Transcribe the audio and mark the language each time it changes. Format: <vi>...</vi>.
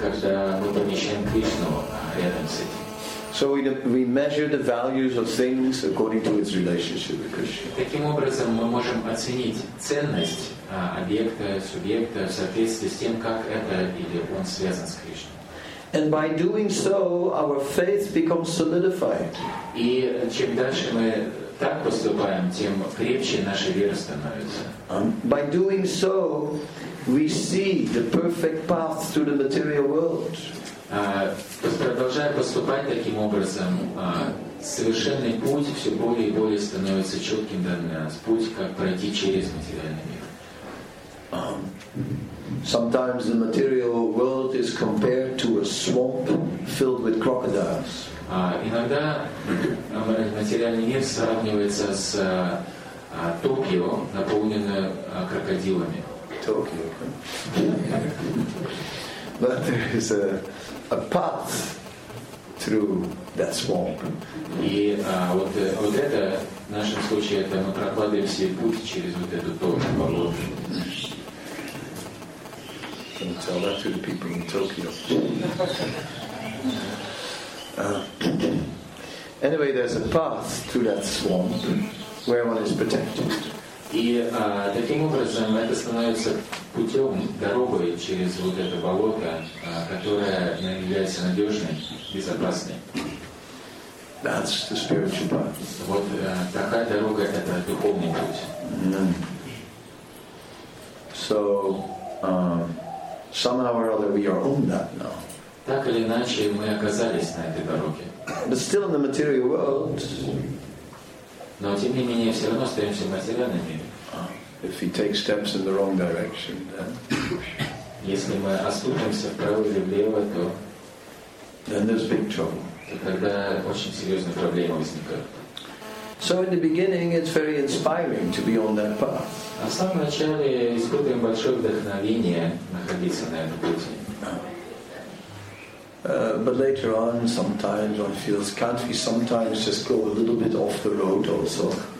<ru>Когда мы помещаем Кришну рядом с этим.</ru> <en>So we measure the values of things according to its relationship with Krishna.</en> <ru>Таким образом мы можем оценить ценность объекта, субъекта в соответствии с тем, как это или он связан с Кришной.</ru> <en>And by doing so, our faith becomes solidified.</en> <ru>И чем дальше мы так поступаем, тем крепче наша вера становится.</ru> <en>By doing so, we see the perfect path to the material world.</en> <ru>Продолжая поступать таким образом, совершенный путь все более и более становится четким для нас. Путь, как пройти через материальный мир.</ru> <en>Sometimes the material world is compared to a swamp filled with crocodiles.</en> <ru>Иногда материальный мир сравнивается с Токио, наполненным крокодилами. Токио.</ru> <en>But there is a path through that swamp.</en> <ru>И вот это, в нашем случае, это мы прокладываем себе путь через вот эту Токио.</ru> <en>And tell that to the people in Tokyo. Anyway, there's a path to that swamp where one is protected.</en> <ru>И таким образом это становится путем, дорогой через вот это болото, которое является надежным, безопасным.</ru> <en>That's the spiritual path.</en> <ru>Вот такая дорога — это духовный путь.</ru> <en>So. Somehow or other, we are on that now.</en> <ru>Так или иначе, мы оказались на этой дороге.</ru> <en>But still in the material world.</en> <ru>Но тем не менее, все равно остаемся в материальном мире.</ru> <en>If we take steps in the wrong direction, then.</en> <ru>Если мы оступимся вправо или влево, то.</ru> <en>Then there's big trouble.</en> <ru>То тогда очень серьезные проблемы возникают.</ru> <en>So in the beginning, it's very inspiring to be on that path.</en> <ru>А в самом начале испытываем большое вдохновение находиться на этом пути.</ru> <en>But later on, sometimes one feels, can't we sometimes just go a little bit off the road also?</en>